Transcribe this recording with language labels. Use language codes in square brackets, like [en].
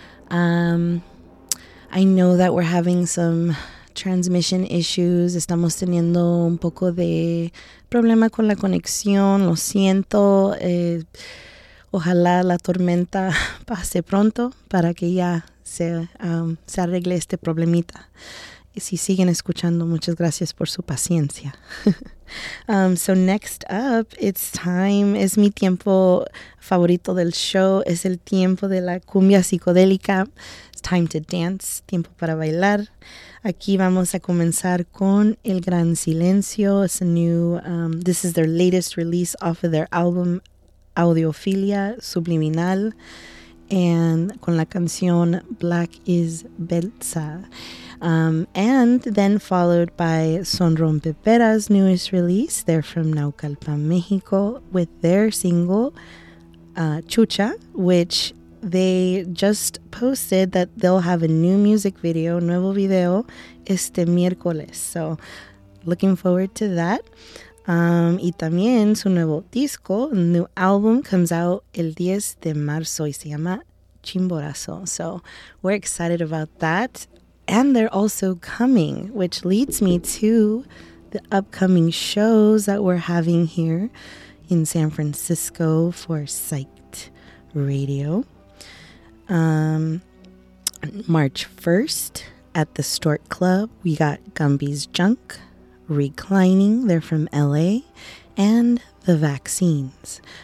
[en] I know that we're having some transmission issues. [es] Estamos teniendo un poco de problema con la conexión. Lo siento. Ojalá la tormenta pase pronto para que ya se arregle este problemita. Y si siguen escuchando, muchas gracias por su paciencia. [en] So next up, it's time. [es] Es mi tiempo favorito del show. Es el tiempo de la cumbia psicodélica. [en] It's time to dance. [es] Tiempo para bailar. Aquí vamos a comenzar con El Gran Silencio. [en] It's a new, this is their latest release off of their album Audiophilia Subliminal, and [es] con la canción [en] Black is Belza. And then followed by Son Rompeperas' newest release. They're from Naucalpan, Mexico, with their single Chucha, which they just posted that they'll have a new music video, [es] nuevo video, este miércoles. [en] So looking forward to that. [es] Y también su nuevo disco, [en] new album, comes out [es] el 10 de marzo y se llama Chimborazo. [en] So we're excited about that. And they're also coming, which leads me to the upcoming shows that we're having here in San Francisco for Psyched Radio. March 1st at the Stork Club, we got Gumby's Junk, Reclining, they're from LA, and The Vaccines.